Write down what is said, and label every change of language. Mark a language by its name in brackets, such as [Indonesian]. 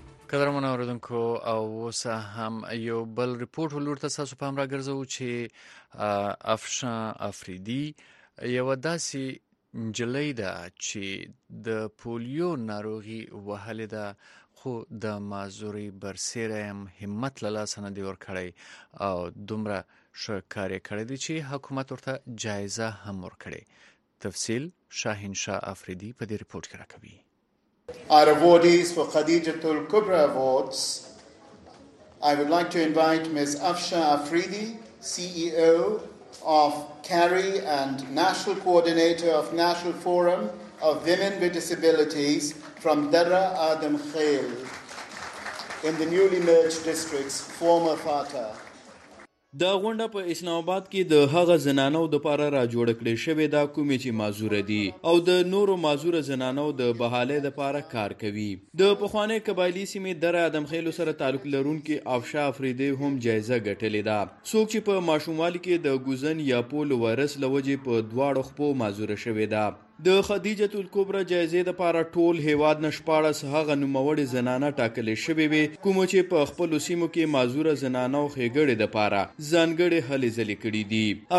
[Pashto] قدرمن اوریدونکو، اوس هم یو بل رپورټ ولور ته تاسو پام را ګرځو چې افشان افریدی یو داسې نجلۍ ده چې د پولیو ناروغي وهلې ده، خو د مازوري برسېره هم همت له لاسه نه دی ورکړی او دومره ښه کار یې کړی دی چې حکومت ورته جایزه هم ورکړي. تفصیل شاهین شاه افریدی په دې رپورټ کې راکوي. [English] Our awardees for Khadija Tul Kubra Awards, I would like to invite Ms. Afsha Afridi, CEO of CARI and National Coordinator of National Forum of Women with Disabilities from Dara Adam Khail in the newly merged districts, former Fata. [Pashto] دا غونډه په اسلام آباد کې د هغه زنانو د پاره را جوړ کړی شوې دا کومې چې مازور دي او د نورو مازور زنانو د بحالې د پاره کار کوي. د پخوانی قبایلی سیمې در ادم خیلو سره تعلق لرونکو افشا افریدی هم جایزه ګټلې ده. څوک چې په ماشوموالی کې د ګوزن یا پولو ورس لوجې په دواړو خپو مازور شوې ده. د خدیجه تل کبرا جایزې د پاره ټول هیواد نشپاړس هغه نوموړي زنانه ټاکلې شوې وي کوم چې په خپل سیمو کې مازور زنانو خېګړې د پاره ځانګړې هلې ځلې کړې دي.